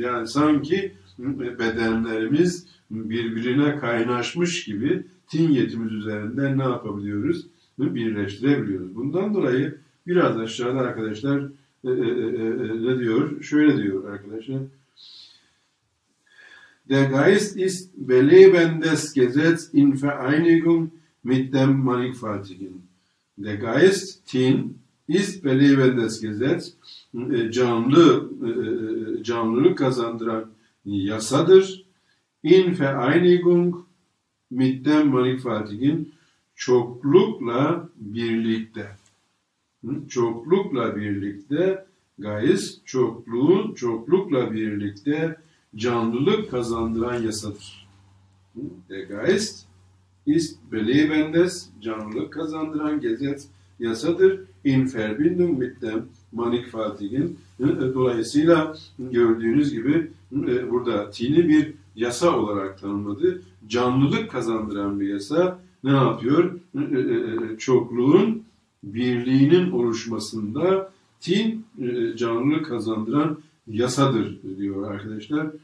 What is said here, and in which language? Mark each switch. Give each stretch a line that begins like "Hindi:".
Turkish: Yani sanki bedenlerimiz birbirine kaynaşmış gibi tin yetimiz üzerinden ne yapabiliyoruz? Birleştirebiliyoruz. Bundan dolayı biraz aşağıda arkadaşlar ne diyor? Şöyle diyor arkadaşlar.
German: Der Geist ist belebendes Gesetz in Vereinigung mit dem Mannigfaltigen. Der Geist, Tin, ist belebendes Gesetz,
Turkish: canlı, canlılık kazandıran yasadır.
German: In Vereinigung mit dem Mannigfaltigen,
Turkish: çoklukla birlikte. Çoklukla birlikte, Geist, çokluğun çoklukla birlikte canlılık kazandıran yasadır.
German: Der Geist ist belebendes,
Turkish: canlılık kazandıran
German: gesetz,
Turkish: yasadır.
German: In Verbindung mit dem Mannigfaltigen.
Turkish: Dolayısıyla gördüğünüz gibi burada tini bir yasa olarak tanımladı. Canlılık kazandıran bir yasa ne yapıyor? Çokluğun birliğinin oluşmasında tin canlılık kazandıran yasadır diyor arkadaşlar.